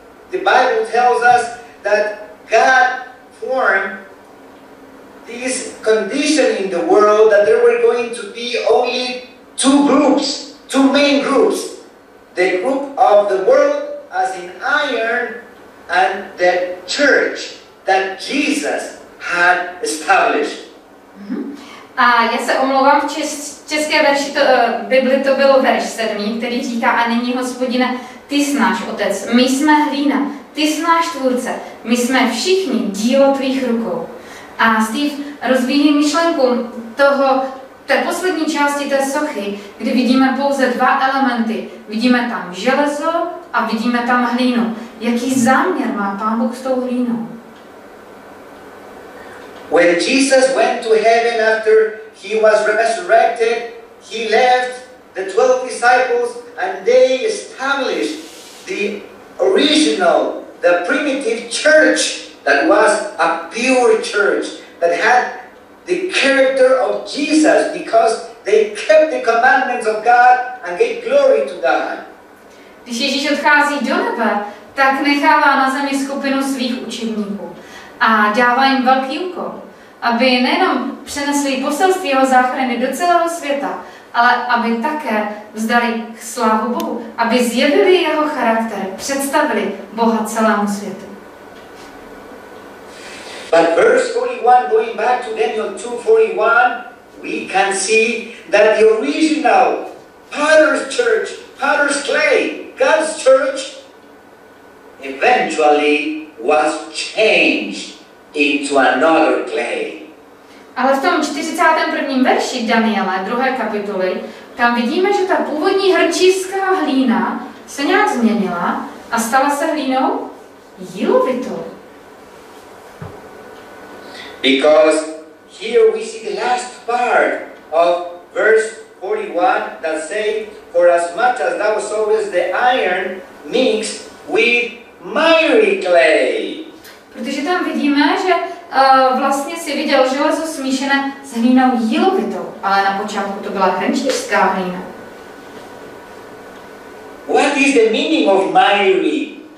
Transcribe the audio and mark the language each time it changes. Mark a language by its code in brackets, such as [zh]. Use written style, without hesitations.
[en] The Bible tells us that God formed this condition in the world that there were going to be only two groups, two main groups. The group of the world as in iron and the church that Jesus had established. [cs] A já se omlouvám, v české verši to, Bibli to bylo verš 7, který říká, a nyní Hospodine, ty jsi náš otec, my jsme hlína, ty jsi náš tvůrce, my jsme všichni dílo tvých rukou. A Steve rozvíjí myšlenku toho, té poslední části té sochy, kdy vidíme pouze dva elementy. Vidíme tam železo a vidíme tam hlínu. Jaký záměr má Pán Bůh s tou hlínou? [en] When Jesus went to heaven after he was resurrected, he left the 12 disciples and they established the original, the primitive church that was a pure church that had the character of Jesus because they kept the commandments of God and gave glory to God. [cs] Když Ježíš odchází do nebe, tak nechává na zemi skupinu svých učedníků a dává jim velký úkol, aby nejenom přenesli poselství jeho záchrany do celého světa, ale aby také vzdali slávu Bohu, aby zjevili jeho charakter, představili Boha celému světu. [en] But verse 41, going back to Daniel 2:41, we can see that the original Potter's church, Potter's clay, God's church, eventually was changed into another clay. [cs] Ale v tom 41. verši Daniela, 2. kapitoly, tam vidíme, že ta původní hrnčířská hlína se nějak změnila a stala se hlínou jílovitou. [en] Because here we see the last part of verse 41 that say, for as much as thou sowest the iron mixed with miry clay. [cs] Protože tam vidíme, že vlastně si viděl železo smíšené s hlínou jílovitou, ale na počátku to byla hrnčířská hlína. [en] What is the meaning of miry?